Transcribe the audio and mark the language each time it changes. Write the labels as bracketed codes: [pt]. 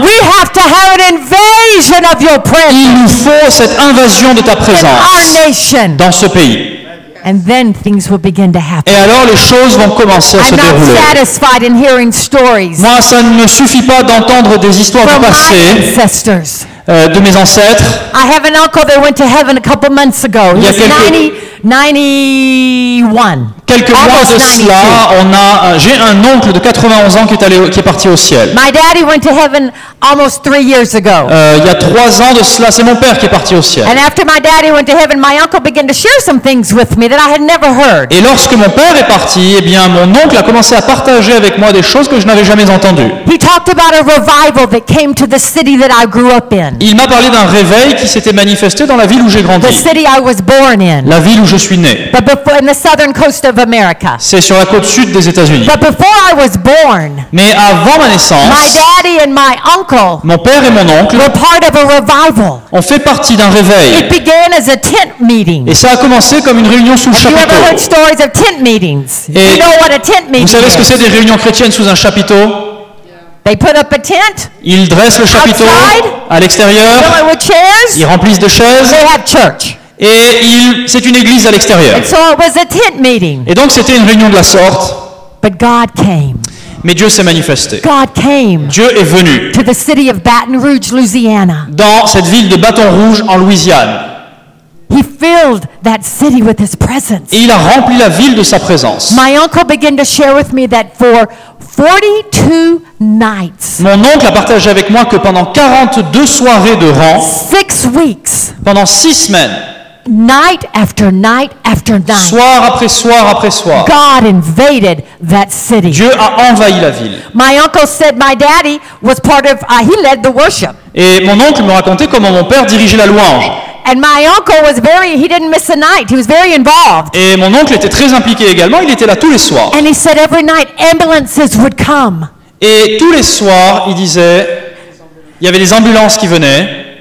[en] We have to have an invasion of your presence. [fr] Il nous faut cette invasion de ta présence. [en] In our nation. [fr] Dans ce pays. [en] And then things will begin to happen. [fr] Et alors les choses vont commencer à [en] I'm [fr] se [en] not [fr] dérouler. [en] Satisfied in hearing stories. [fr] Moi, ça ne me suffit pas d'entendre des histoires [en] from [fr] du passé. [en] My ancestors. [fr] De mes ancêtres. [en] I have an uncle that went to heaven a couple months ago. [fr] Il y a quelques mois de cela, j'ai un oncle de 91 ans qui est parti au ciel. [en] My daddy went to heaven almost 3 years ago. [fr] Il y a 3 ans de cela, c'est mon père qui est parti au ciel. [en] And after my daddy went to heaven, my uncle began to share some things with me that I had never heard. [fr] Et lorsque mon père est parti, eh bien mon oncle a commencé à partager avec moi des choses que je n'avais jamais entendues. [en] He talked about a revival that came to the city that I grew up in. [fr] Il m'a parlé d'un réveil qui s'était manifesté dans la ville où j'ai grandi. [en] The city I was born in. [fr] La ville où je suis né. [en] But before, in the southern coast of America. [fr] C'est sur la côte sud des États-Unis. [en] But before I was born. [fr] Mais avant ma naissance. [en] My daddy and my uncle. [fr] Mon père et mon oncle. [en] Were part of a revival. [fr] On fait partie d'un réveil. [en] It began as a tent meeting. [fr] Et ça a commencé comme une réunion sous le chapiteau. [en] Have you ever heard stories of tent meetings? [fr] Et [en] you know what a tent meeting [fr] vous savez ce que c'est des réunions chrétiennes sous un chapiteau? [en] They put up a tent. [fr] Ils dressent le chapiteau [en] outside, [fr] à l'extérieur. [en] Fill it with chairs. [fr] Ils remplissent de chaises. [en] They have church. [fr] Et c'est une église à l'extérieur. [en] And so it was a tent meeting. [fr] Et donc c'était une réunion de la sorte. [en] But God came. [fr] Mais Dieu s'est manifesté. [en] God came. [fr] Dieu est venu. [en] To the city of Baton Rouge, Louisiana. [fr] Dans cette ville de Baton Rouge en Louisiane. [en] He filled that city with his presence. [fr] Et il a rempli la ville de sa présence. [en] My uncle began to share with me that for 42 nights. [fr] Mon oncle a partagé avec moi que pendant 42 soirées de rang. [en] 6 weeks. [fr] Pendant 6 semaines. [en] Night after night after night. [fr] Soir après soir après soir. [en] God invaded that city. [fr] Dieu a envahi la ville. [en] My uncle said my daddy was part of. He led the worship. [fr] Et mon oncle me racontait comment mon père dirigeait la louange. [en] And my uncle was very. He didn't miss a night. He was very involved. [fr] Et mon oncle était très impliqué également. Il était là tous les soirs. [en] And he said every night ambulances would come. [fr] Et tous les soirs, il disait, il y avait des ambulances qui venaient.